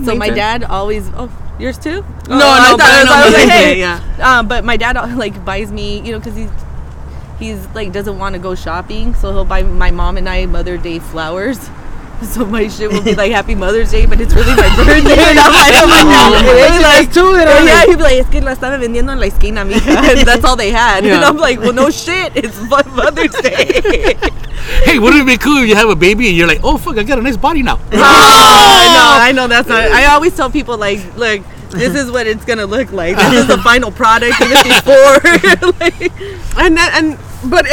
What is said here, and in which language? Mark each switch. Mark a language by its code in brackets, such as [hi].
[en] So my dad always. Oh, yours too? No, I thought no, no, like, no, hey. Yeah. But my dad like buys me, you know, because he's like doesn't want to go shopping, so he'll buy my mom and I Mother's Day flowers. So my shit will be like Happy Mother's Day, but it's really my birthday. And I'm like, oh my god, like too. Yeah, he'd be like, [es] es que la estaba vendiendo en la esquina, mija. [en] That's all they had. Yeah. And I'm like, well, no shit, it's Mother's Day. Hey, wouldn't it be cool if you have a baby and you're like, oh fuck, I got a nice body now. I know that's not. I always tell people like, look, this is what it's gonna look like. This is the final product. Even before, like,